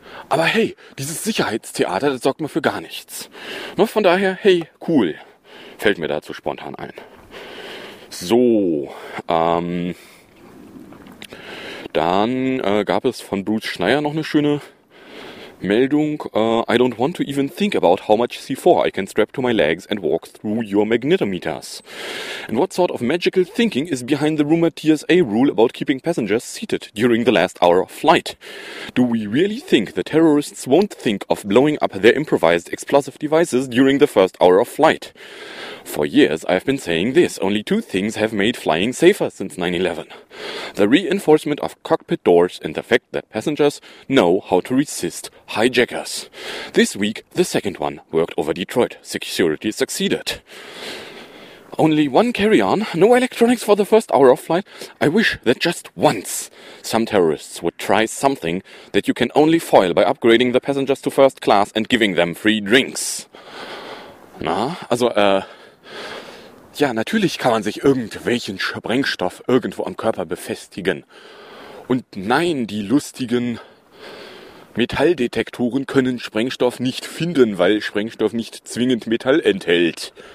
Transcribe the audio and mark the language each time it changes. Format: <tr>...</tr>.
<de>Aber hey, dieses Sicherheitstheater, das sorgt mir für gar nichts. Nur von daher, hey, cool, fällt mir dazu spontan ein. So, dann gab es von Bruce Schneier noch eine schöne</de> <en>Meldung, I don't want to even think about how much C4 I can strap to my legs and walk through your magnetometers. And what sort of magical thinking is behind the rumored TSA rule about keeping passengers seated during the last hour of flight? Do we really think the terrorists won't think of blowing up their improvised explosive devices during the first hour of flight? For years I've been saying this, only two things have made flying safer since 9/11. The reinforcement of cockpit doors and the fact that passengers know how to resist hijackers. This week, the second one worked over Detroit. Security succeeded. Only one carry-on, no electronics for the first hour of flight. I wish that just once some terrorists would try something that you can only foil by upgrading the passengers to first class and giving them free drinks.</en> <de>Na, also, ja, natürlich kann man sich irgendwelchen Sprengstoff irgendwo am Körper befestigen. Und nein, die lustigen Metalldetektoren können Sprengstoff nicht finden, weil Sprengstoff nicht zwingend Metall enthält.</de>